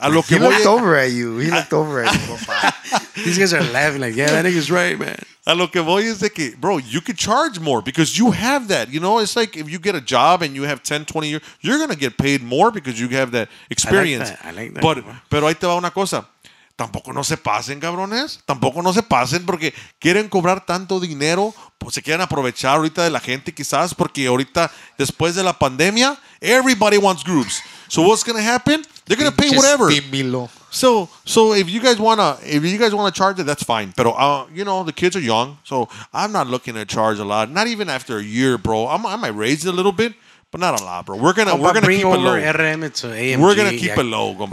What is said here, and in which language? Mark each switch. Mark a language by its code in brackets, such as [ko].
[en] He looked over at you, papá. These guys are laughing like, yeah, that nigga's right, man. [es] A lo que voy es de que, [en] bro, you could charge more because you have that. You know, it's like if you get a job and you have 10, 20 years, you're going to get paid more because you have that experience. I like that. [es] Pero ahí te va una cosa. Tampoco no se pasen, cabrones. Tampoco no se pasen porque quieren cobrar tanto dinero, pues se quieren aprovechar ahorita de la gente quizás porque ahorita, después de la pandemia, [en] everybody wants groups. So what's going to happen? They're going to pay whatever. So if you guys wanna charge it, that's fine. But you know, the kids are young, so I'm not looking to charge a lot. Not even after a year, bro. I might raise it a little bit, but not a lot, bro. We're gonna bring keep over it low. RM to AMG. We're gonna keep it low, compa.